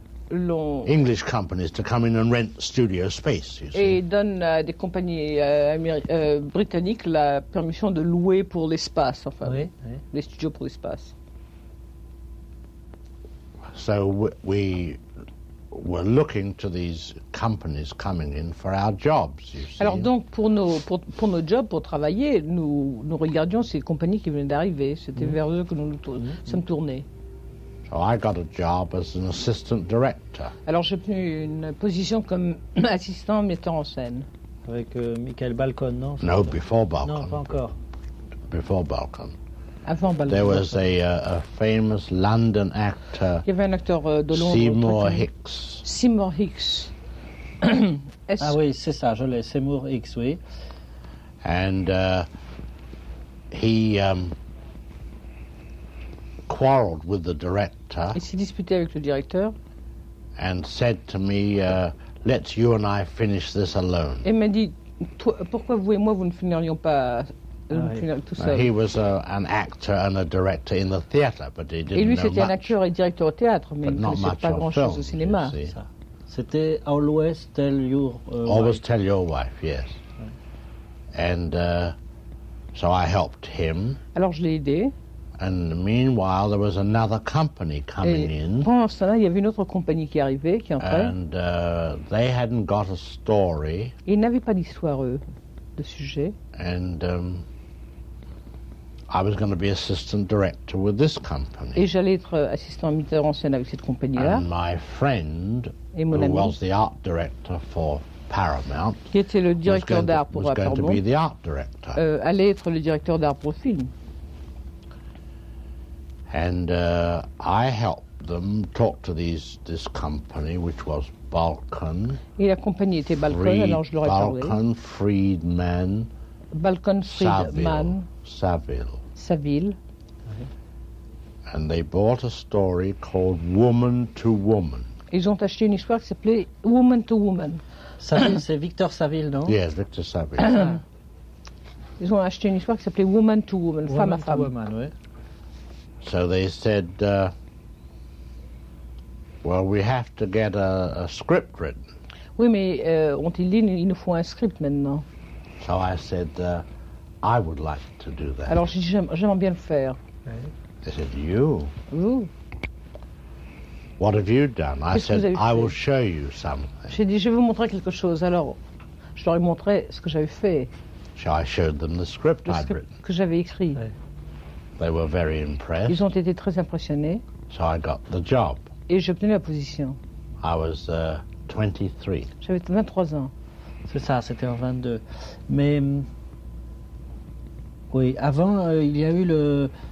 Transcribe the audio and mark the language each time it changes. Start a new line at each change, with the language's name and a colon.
English: English companies to come in and rent studio space. You see.
French: Et donne à des compagnies britanniques la permission de louer pour l'espace, enfin, oui, oui. Les studios pour l'espace.
English: So we were looking to these companies coming in for our jobs. You see.
French: Alors donc pour nos jobs, pour travailler, nous regardions ces compagnies qui venaient d'arriver. C'était vers eux que nous sommes tournés.
English: So I got a job as an assistant director.
French: Alors j'ai obtenu une position comme assistant metteur en scène. Avec Michael Balcon, non?
English: No, before Balcon.
French: Non, pas encore.
English: Before Balcon.
French: Avant Balcon.
English: There was a famous London actor.
French: Il y avait un acteur de Londres.
English: Seymour Hicks.
French: Ah oui, c'est ça, je l'ai. Seymour Hicks, oui.
English: And he. Quarreled with the director.
French: Il s'est disputé avec le directeur.
English: And said to me, "Let's you and I finish this alone."
French: Et m'a dit, pourquoi vous et moi vous ne finirions pas tout seul?
English: He was an actor and a director in the theatre, but he didn't know much.
French: Et lui c'était un acteur et directeur au théâtre, mais il ne faisait pas grand chose au cinéma. C'était Always Tell Your Wife.
English: Always Tell Your Wife, yes. And so I helped him.
French: Alors je l'ai aidé.
English: And meanwhile, there was another company coming in.
French: Pendant ce temps-là, il y avait une autre compagnie qui arrivait, qui entrait.
English: And they hadn't got a story.
French: Ils n'avaient pas d'histoire, eux, de sujet.
English: And I was going to be assistant director with this company.
French: Et j'allais être assistant metteur en scène avec cette compagnie-là.
English: And my friend, who was the art director for Paramount,
French: qui était le directeur d'art pour
English: Paramount, was going to be the art director.
French: Allait être le directeur d'art pour le film. And I helped them talk to this company, which was Balcon. Et la compagnie était Balcon, alors je leur ai Balcon, Balcon, Friedman. Balcon, Friedman. Saville. Mm-hmm.
English: And they bought a story called Woman to Woman.
French: Ils ont acheté une histoire qui s'appelait Woman to Woman. Saville, c'est Victor Saville, non?
English: Yes, Victor Saville.
French: Ils ont acheté une histoire qui s'appelait Woman to Woman,
English: woman
French: femme
English: to
French: à femme. Woman, oui.
English: So they said, well, we have to get a script written.
French: Oui, mais ont-ils dit, il nous faut un script maintenant.
English: So I said, I would like to do that.
French: Alors j'ai dit, j'aimerais bien le faire.
English: They said, you?
French: Vous?
English: What have you done?
French: Qu'est-ce
English: I said,
French: vous avez
English: I will show you something.
French: J'ai dit, je vais vous montrer quelque chose. Alors, je leur ai montré ce que j'avais fait.
English: So I showed them the script I'd written.
French: Que j'avais écrit. Oui.
English: They were very impressed.
French: Ils ont été très impressionnés.
English: So I got the job.
French: Et j'ai obtenu la position.
English: I was 23.
French: J'avais 23 ans. C'est ça, c'était en 22. Mais oui, avant il y a eu le